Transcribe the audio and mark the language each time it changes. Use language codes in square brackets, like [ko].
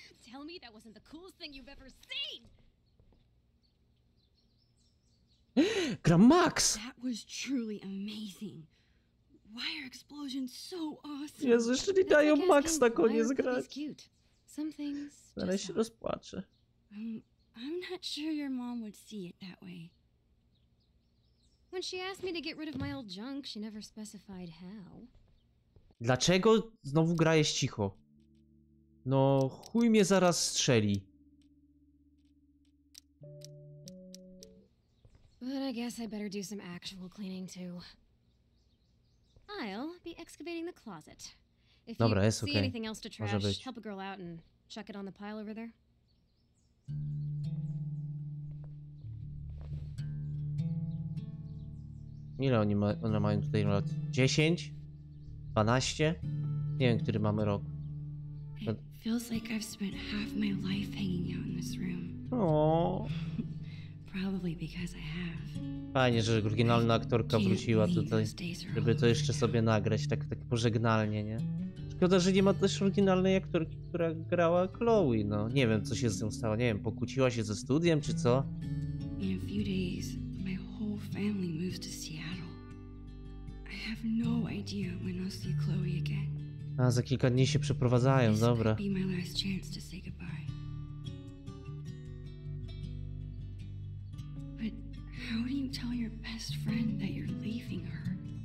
[en] Tell me that wasn't the coolest thing you've ever seen! Gram Max! That was truly amazing. Why are explosions so awesome? [pl] Jezu, jeszcze nie dają Max na koniec grać. [en] Some things. [pl] Ale się rozpłaczę. [en] I'm not sure your mom would see it that way. When she asked me to get rid of my old junk, she never specified how. [pl] Dlaczego znowu grajesz cicho? No, chuj mnie zaraz strzeli. [en] But I guess I better do some actual cleaning too. I'll be excavating the closet. If you [pl] Dobra, jest [en] see okay. anything else to trash, help a girl out and chuck it on the pile over there. [pl] Ile one mają tutaj lat? 10? 12? Nie wiem, który mamy rok. [en] It feels like I've spent half my life hanging out in this room. Oh. Probably because I have. [pl] Fajnie, że oryginalna aktorka wróciła tutaj, żeby to jeszcze sobie nagrać, tak pożegnalnie, nie? Szkoda, że nie ma też oryginalnej aktorki, która grała Chloe, no. Nie wiem, co się z nią stało, nie wiem, pokłóciła się ze studiem, czy co? [en] In a few days, my whole family moves to Seattle. I have no idea when I'll see Chloe again. [pl] A, za kilka dni się przeprowadzają, dobra. [en] This might be my last chance to say goodbye. How do you tell your best friend that you're leaving her?